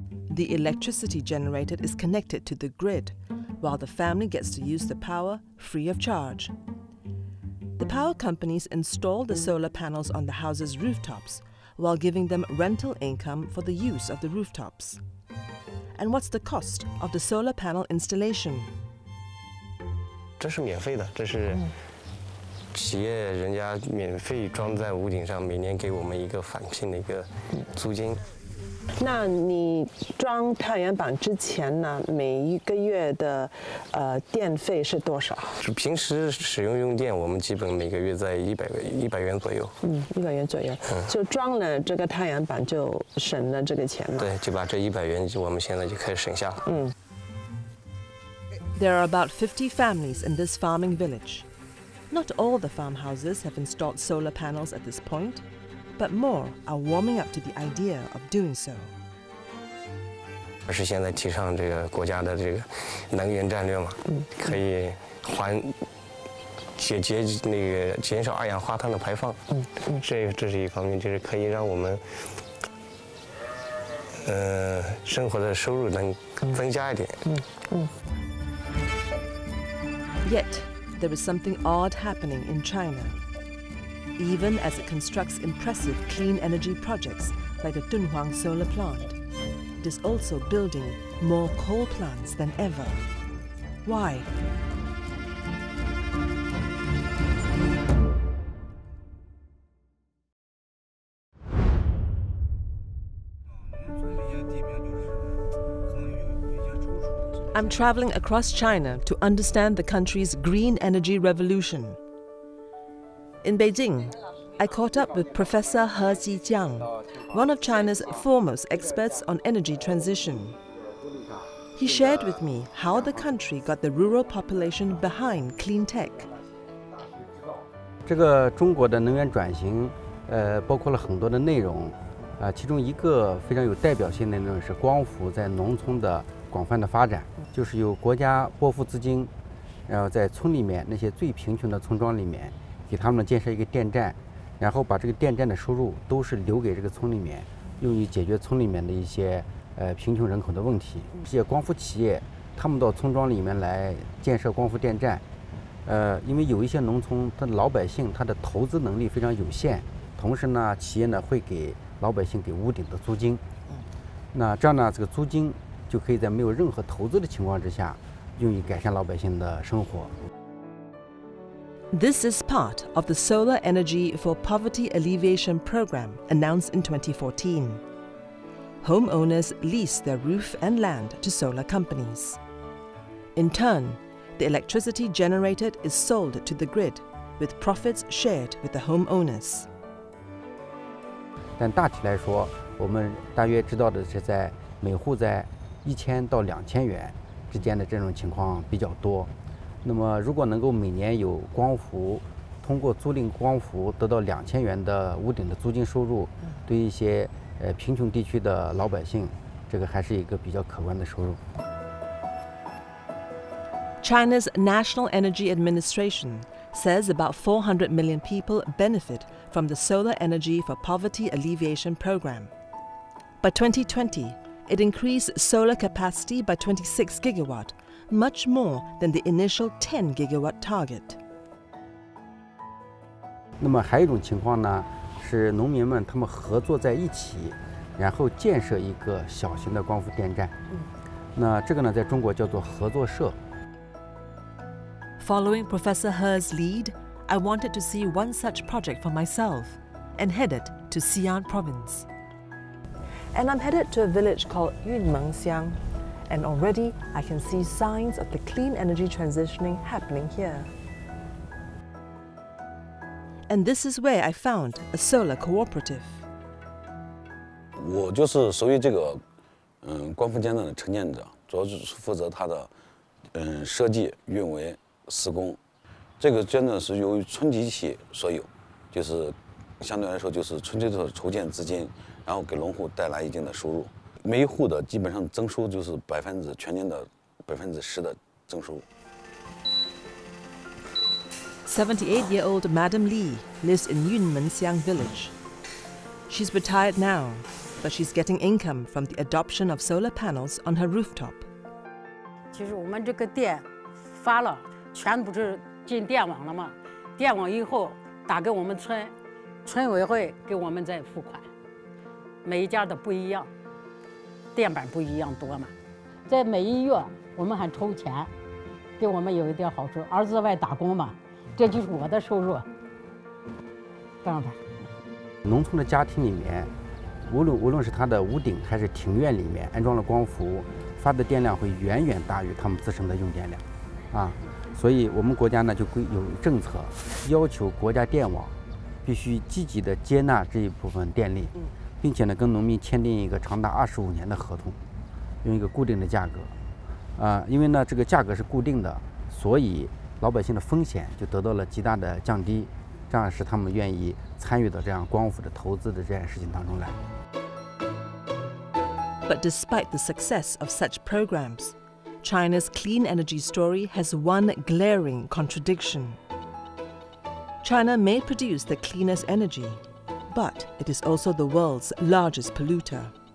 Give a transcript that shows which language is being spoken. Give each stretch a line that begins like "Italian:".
English: The electricity generated is connected to the grid, while the family gets to use the power free of charge. The power companies install the solar panels on the houses' rooftops. While giving them rental income for the use of the rooftops. And what's the cost of the solar panel installation? This is
Chinese: 免费的，这是企业人家免费装在屋顶上，每年给我们一个返聘的一个租金。那你装太阳板之前呢，每一个月的电费是多少？平时使用用电，我们基本每个月在100元左右。 100元左右。就装了这个太阳板就省了这个钱了。对，就把这100元我们现在就开始省下了。
English: There are about 50 families in this farming village. Not all the farmhouses have installed solar panels at this point. But more are warming up to the idea of doing so.
Chinese: 而是现在提倡这个国家的这个能源战略嘛，可以缓节那个减少二氧化碳的排放。这是一方面，就是可以让我们生活的收入能增加一点。
English: Yet there is something odd happening in China. Even as it constructs impressive clean energy projects like the Dunhuang solar plant, it is also building more coal plants than ever. Why? I'm traveling across China to understand the country's green energy revolution. In Beijing, I caught up with Professor He Xijiang, one of China's foremost experts on energy transition. He shared with me how the country got the rural population behind clean tech.
Chinese: 这个中国的能源转型包括了很多的内容，其中一个非常有代表性的内容是光伏在农村的广泛的发展，就是由国家拨付资金，然后在村里面那些最贫穷的村庄里面给他们建设一个电站，然后把这个电站的收入都是留给这个村里面，用于解决村里面的一些贫穷人口的问题。这些光伏企业他们到村庄里面来建设光伏电站，因为有一些农村的老百姓他的投资能力非常有限，同时呢企业呢会给老百姓给屋顶的租金，那这样呢这个租金就可以在没有任何投资的情况之下用于改善老百姓的生活。
English: This is part of the Solar Energy for Poverty Alleviation Program announced in 2014. Homeowners lease their roof and land to solar companies. In turn, the electricity generated is sold to the grid, with profits shared with the homeowners.
Chinese: 但大体来说，我们大约知道的是在每户在1000到2000元之间的这种情况比较多。那么如果能够每年有光伏通过租赁光伏得到2000元的屋顶的租金收入，对一些贫穷地区的老百姓，这个还是一个比较可观的收入。
English: China's National Energy Administration says about 400 million people benefit from the Solar Energy for Poverty Alleviation Program. By 2020, it increased solar capacity by 26 gigawatt,much more than the initial 10 gigawatt target.
Chinese: 那么还有一种情况呢，是农民们他们合作在一起，然后建设一个小型的光伏电站。那这个呢，在中国叫做合作社。
English: Following Professor He's lead, I wanted to see one such project for myself, and headed to Xi'an province. And I'm headed to a village called Yunmengxiang. And already, I can see signs of the clean energy transitioning happening here. And this is where I found a solar cooperative.
Chinese: 我就是属于这个，光伏电站的承建者，主要是负责它的，设计、运维、施工。这个电站是由村集体所有，就是相对来说就是村集体筹建资金，然后给农户带来一定的收入。每一户的基本上增收就是全年的10%的增收。
English: 78-year-old Madam Li lives in Yunmengxiang village. She's retired now, but she's getting income from the adoption of solar panels on her rooftop.
Chinese: 其实我们这个电发了，全部是进电网了嘛。电网以后打给我们村，村委会给我们再付款，每一家的不一样。电板不一样多嘛，在每一月我们还抽钱，给我们有一点好处。儿子在外打工嘛，这就是我的收入。这样吧，农村的家庭里面，无论是他的屋顶还是庭院里面安装了光伏，发的电量会远远大于他们自身的用电量，啊，所以我们国家呢就有政策，要求国家电网必须积极的接纳这一部分电力。并且呢，跟农民签订一个长达25年的合同，用一个固定的价格，因为呢这个价格是固定的，所以老百姓的风险就得到了极大的降低，这样使他们愿意参与到这样光伏的投资的这件事情当中来。
English: But despite the success of such programs, China's clean energy story has one glaring contradiction. China may produce the cleanest energy. But it is also the world's largest polluter.